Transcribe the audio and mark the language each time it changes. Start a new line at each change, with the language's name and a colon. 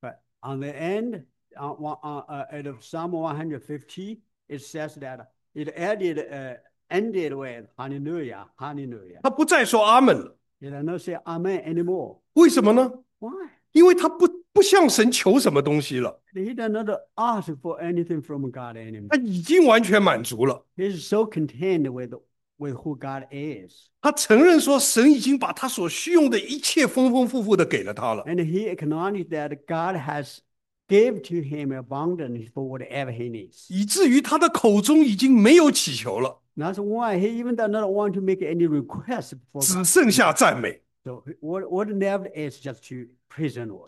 English: But on the end, out of Psalm 150, it says that it ended with Hallelujah, Hallelujah.
Chinese: 他不再说"阿门"了。
English: It does not say Amen anymore.
Chinese: 为什么呢？
English: Why?
Chinese: 因为他不向神求什么东西了。
English: He does not ask for anything from God anymore.
Chinese: 他已经完全满足了。
English: He is so content with who God is.
Chinese: 他承认说，神已经把他所需用的一切丰丰富富的给了他了。
English: And he acknowledged that God has gave to him abundance for whatever he needs.
Chinese: 以至于他的口中已经没有祈求了,
English: That's why he even does not want to make any request for
Chinese: 只剩下赞美。
English: God. So what left is just to praise the Lord.